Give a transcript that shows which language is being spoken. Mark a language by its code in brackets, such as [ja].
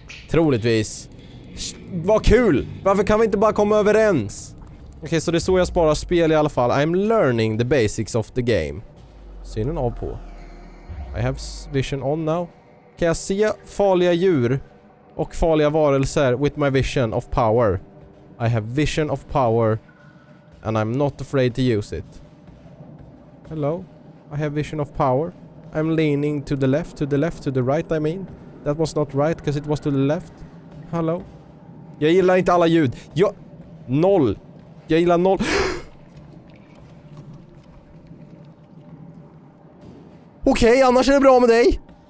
[sv] Troligtvis. Vad kul! Varför kan vi inte bara komma överens? Okej, så det är så jag sparar spel i alla fall. [en] I'm learning the basics of the game. [sv] Synen av på. [en] I have vision on now. [sv] Kan jag se farliga djur och farliga varelser [en] with my vision of power? I have vision of power and I'm not afraid to use it. Hello? I have vision of power. I'm leaning to the left, to the right I mean. That was not right because it was to the left. Hello? [sv] Jag gillar inte alla ljud. Noll! Jag gillar noll. Okej, annars är det bra med dig.